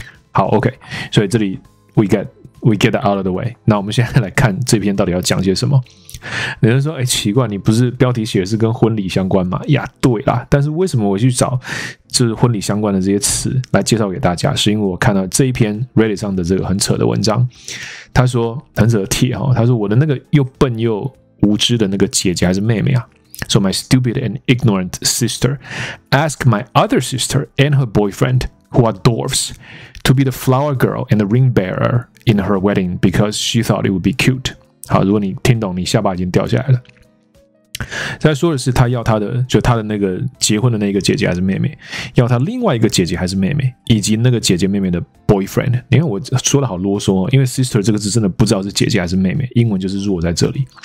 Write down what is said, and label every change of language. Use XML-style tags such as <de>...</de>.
<en>好 ，OK，</en> <zh>所以这里</zh> <en>we get that out of the way。</en> <zh>那我们现在来看这篇到底要讲些什么？有人说，奇怪，你不是标题写的是跟婚礼相关吗？呀，对啦，但是为什么我去找就是婚礼相关的这些词来介绍给大家？是因为我看到这一篇 Reddit 上的这个很扯的文章。他说很扯的帖，他说我的那个又笨又无知的那个姐姐还是妹妹啊，说</zh> <en>my stupid and ignorant sister ask my other sister and her boyfriend who are dwarfs to be the flower girl and the ring bearer in her wedding because she thought it would be cute。</en> <zh>好，如果你听懂，你下巴已经掉下来了。再说的是他要他的就他的那个结婚的那个姐姐还是妹妹，要他另外一个姐姐还是妹妹，以及那个姐姐妹妹的boyfriend。你看我说的好啰嗦，因为 sister 这个字真的不知道是姐姐还是妹妹，英文就是弱在这里。</zh>